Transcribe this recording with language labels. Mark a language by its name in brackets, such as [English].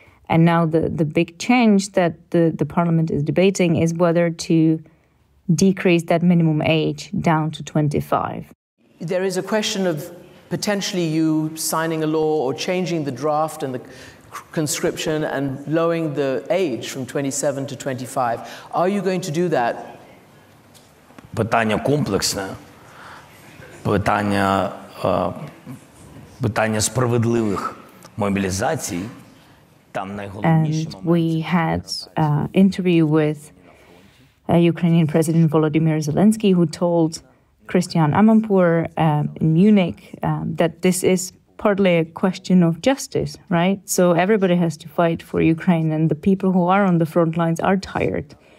[English] And now the big change that the parliament is debating is whether to decrease that minimum age down to 25. There is a question of potentially you signing a law or changing the draft and the conscription and lowering the age from 27 to 25. Are you going to do that? [Ukrainian] Питання комплексне. Питання питання справедливих мобілізацій. Там найголовніше. [English] We had an interview with Ukrainian President Volodymyr Zelensky, who told Christian Amanpour in Munich that this is partly a question of justice, right? So everybody has to fight for Ukraine, and the people who are on the front lines are tired.